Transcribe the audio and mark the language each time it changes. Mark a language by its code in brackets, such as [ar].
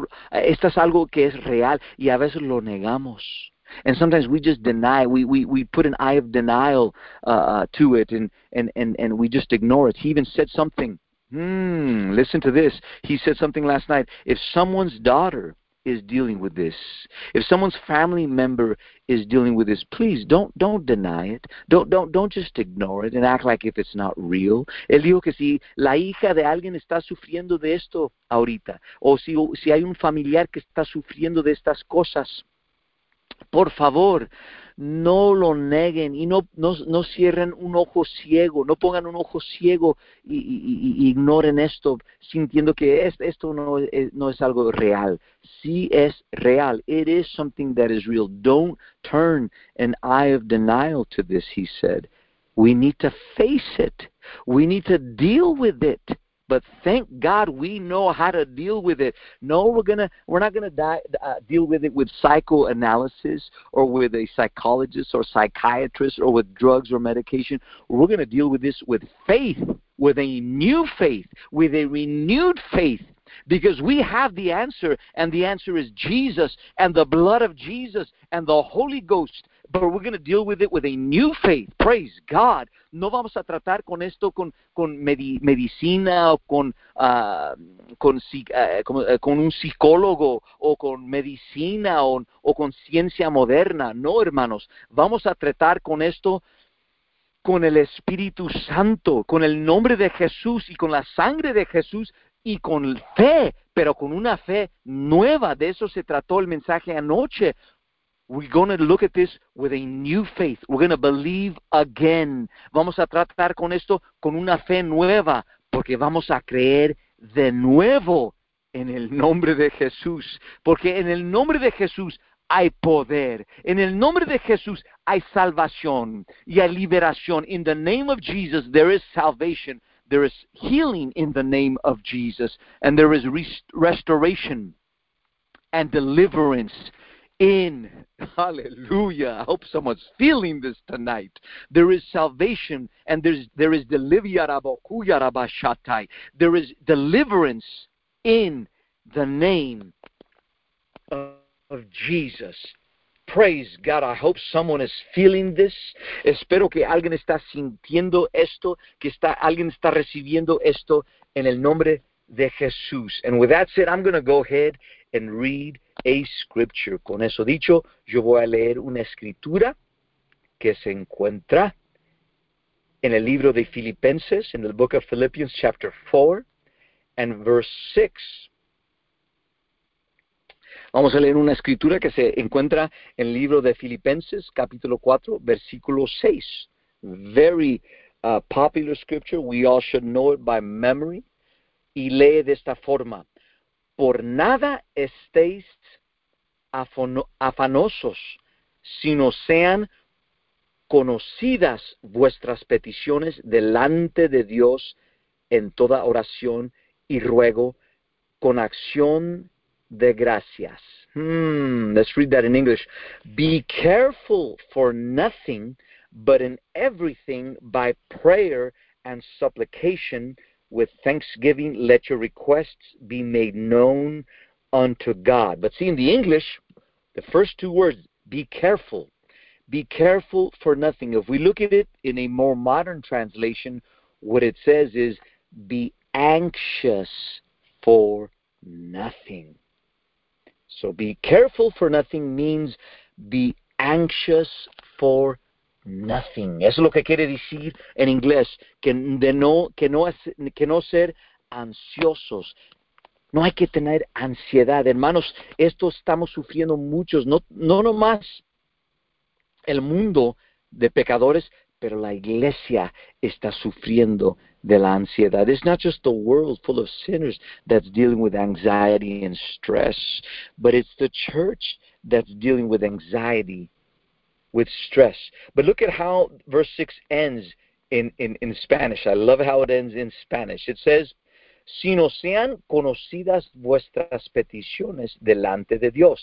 [es] Esto es algo que es real y a veces lo negamos. [en] And sometimes we just deny, we put an eye of denial to it and we just ignore it. He even said something, listen to this. He said something last night, if someone's daughter is dealing with this, if someone's family member is dealing with this, please don't deny it. Don't just ignore it and act like if it's not real. [es] Él dijo que si la hija de alguien está sufriendo de esto ahorita, o si hay un familiar que está sufriendo de estas cosas, por favor, no lo neguen y no cierren un ojo ciego, no pongan un ojo ciego y ignoren esto sintiendo que esto no es algo real. Sí es real. [en] It is something that is real. Don't turn an eye of denial to this, he said. We need to face it. We need to deal with it. But thank God we know how to deal with it. No, we're not gonna deal with it with psychoanalysis or with a psychologist or psychiatrist or with drugs or medication. We're gonna deal with this with faith, with a new faith, with a renewed faith, because we have the answer, and the answer is Jesus and the blood of Jesus and the Holy Ghost. But we're going to deal with it with a new faith. Praise God. [es] No vamos a tratar con esto con medicina o con un psicólogo o con medicina o con ciencia moderna. No, hermanos. Vamos a tratar con esto con el Espíritu Santo, con el nombre de Jesús y con la sangre de Jesús y con fe, pero con una fe nueva. De eso se trató el mensaje anoche. [en] We're going to look at this with a new faith. We're going to believe again. [es] Vamos a tratar con esto con una fe nueva, porque vamos a creer de nuevo en el nombre de Jesús. Porque en el nombre de Jesús hay poder. En el nombre de Jesús hay salvación y hay liberación. [en] In the name of Jesus, there is salvation. There is healing in the name of Jesus. And there is restoration and deliverance. In, hallelujah, I hope someone's feeling this tonight. There is salvation and there is deliverance in the name of Jesus. Praise God, I hope someone is feeling this. [es] Espero que alguien está sintiendo esto, alguien está recibiendo esto en el nombre de Jesús. [en] And with that said, I'm going to go ahead and read a scripture. [es] Con eso dicho, yo voy a leer una escritura que se encuentra en el libro de Filipenses, [en] in the book of Philippians, chapter 4, and verse 6. [es] Vamos a leer una escritura que se encuentra en el libro de Filipenses, capítulo 4, versículo 6. [en] Very popular scripture. We all should know it by memory. [es] Y lee de esta forma. Por nada estéis afanosos, sino sean conocidas vuestras peticiones delante de Dios en toda oración y ruego con acción de gracias. [en] Let's read that in English. Be careful for nothing, but in everything by prayer and supplication with thanksgiving let your requests be made known unto God. But see, in the English, the first two words, be careful. be careful for nothing. If we look at it in a more modern translation, what it says is be anxious for nothing. So be careful for nothing means be anxious for nothing. [es] Eso es lo que quiere decir en inglés, que no ser ansiosos. No hay que tener ansiedad. Hermanos, esto estamos sufriendo muchos, no nomás el mundo de pecadores, pero la iglesia está sufriendo de la ansiedad. [en] It's not just the world full of sinners that's dealing with anxiety and stress, but it's the church that's dealing with anxiety, with stress. But look at how verse 6 ends in Spanish. I love how it ends in Spanish. It says, [es] sino sean conocidas vuestras peticiones delante de Dios.